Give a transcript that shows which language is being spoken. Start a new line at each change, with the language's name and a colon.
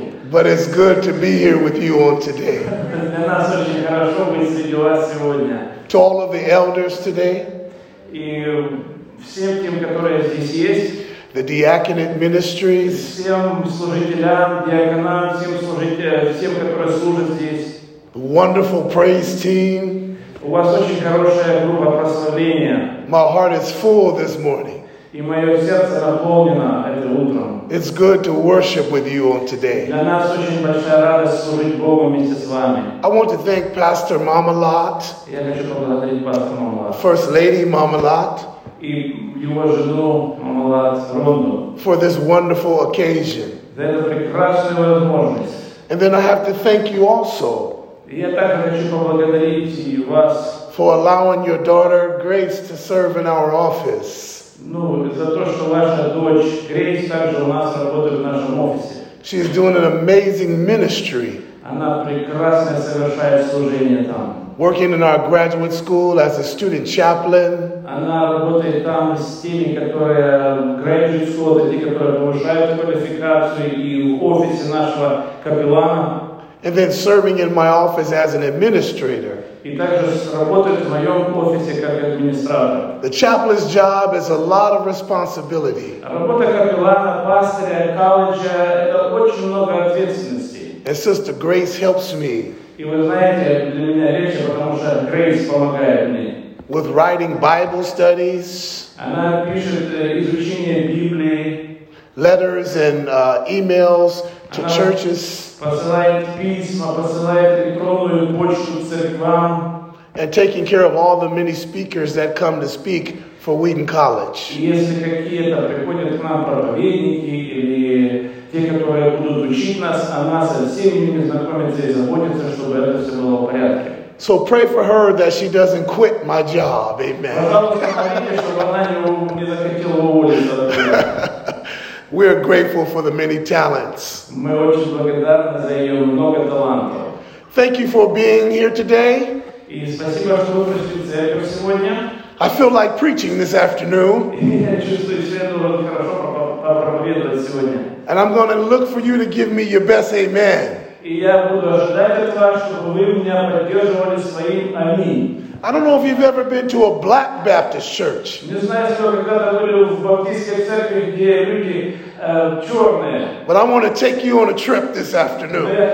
English: But it's good to be here with you on today.
Russian: Для нас очень хорошо быть среди вас сегодня.
English: To all of the elders today.
Russian: И всем тем, которые здесь есть.
English: The diaconate ministries.
Russian: Всем служителям, диаконам, всем служителям, всем, которые служат здесь.
English: Wonderful praise team.
Russian: У вас очень хорошая группа прославления.
English: My heart is full this morning.
Russian: И мое сердце наполнено этим утром.
English: It's good to worship with you on today.
Russian: Для нас очень большая радость служить Богу вместе с вами.
English: I want to thank Pastor Marmalat.
Russian: Я хочу поблагодарить пастор Marmalat.
English: First Lady Marmalat.
Russian: И его жену Marmalat Rondo.
English: For this wonderful occasion.
Russian: За эту прекрасную возможность.
English: And then I have to thank you also.
Russian: Я также хочу поблагодарить и вас.
English: For allowing your daughter Grace to serve in our office.
Russian: Ну, за то, что ваша дочь Грейс также у нас работает в нашем офисе.
English: She's doing an amazing ministry.
Russian: Она прекрасно совершает служение там.
English: Working in our graduate school as a student chaplain.
Russian: Она работает там с теми, которые graduate school, это те, которые повышают квалификацию, и в офисе нашего капеллана.
English: And then serving in my office as an administrator.
Russian: И также работает в моем офисе как администратор.
English: The chaplain's job is a lot of responsibility.
Russian: Работа капеллана, пастыря, колледжа – это очень много ответственности.
English: And Sister Grace helps me.
Russian: И вы знаете, для меня легче, потому что Грейс помогает мне.
English: With writing Bible studies.
Russian: Она пишет изучение Библии.
English: Letters and emails to
Russian: Она
English: churches.
Russian: Посылает письма, посылает электронную почту церквам.
English: And taking care of all the many speakers that come to speak for Wheaton College.
Russian: Если какие-то приходят к нам проповедники или те, которые будут учить нас, она со всеми ними знакомится и заботится, чтобы это все было в порядке.
English: So pray for her that she doesn't quit my job, amen.
Russian: Пожалуйста, помолитесь, чтобы она не захотела уволиться.
English: We are grateful for the many talents.
Russian: Мы очень благодарны за ее много талантов.
English: Thank you for being here today.
Russian: И спасибо, что вы пришли в церковь сегодня.
English: I feel like preaching this afternoon.
Russian: Я чувствую себя очень хорошо проповедовать сегодня.
English: And I'm going to look for you to give me your best amen.
Russian: И я буду ожидать от вас, чтобы вы меня поддерживали своим аминь.
English: I don't know if you've ever been to a black Baptist church. But I want to take you on a trip this afternoon.